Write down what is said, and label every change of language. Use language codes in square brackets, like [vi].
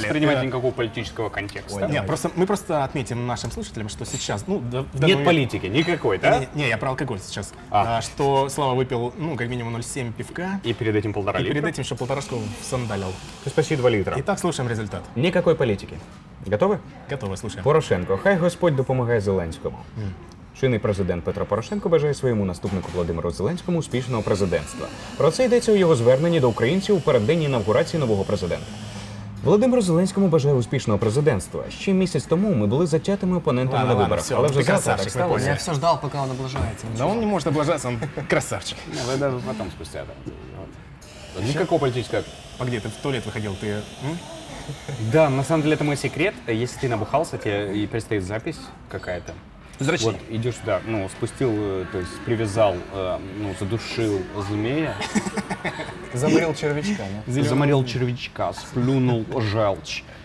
[ru] Не воспринимать никакого политического контекста. Ой, нет, просто, мы просто отметим нашим слушателям, что сейчас, ну, нет политики никакой, да? Не, я про алкоголь сейчас. Что Слава выпил, ну, как минимум 0,7 пивка. И перед этим полтора литра. И перед этим еще полторашку всандалил. То есть почти 2 литра. Итак, слушаем результат. Никакой политики. Готовы? Готовы, слушаю. Порошенко. [uk] Хай Господь допомагає Зеленському. Чинний президент Петро Порошенко бажає своєму наступнику Володимиру Зеленському успішного президентства. Про це йдеться у його зверненні до українців у переддень інавгурації нового президента. Володимиру Зеленському бажає успішного президентства. Ще місяць тому ми були затятими опонентами на виборах. [ru] Ладно, все, ти красавчик, ми поняли. [uk] Я все ждав, поки він облажається. Да він не може облажатися, він красавчик. Ви навіть потім спустя. Нікакого політичного... Погоди, ти в туалет виходив, ти... [ru] Да, на самом деле это мой секрет. Если ты набухался, тебе и предстоит запись какая-то. Зрачки. Вот, идешь сюда, ну, спустил, то есть привязал, ну, задушил змея. Заморил червячка, нет? Зеленый... Заморил червячка, сплюнул желчь.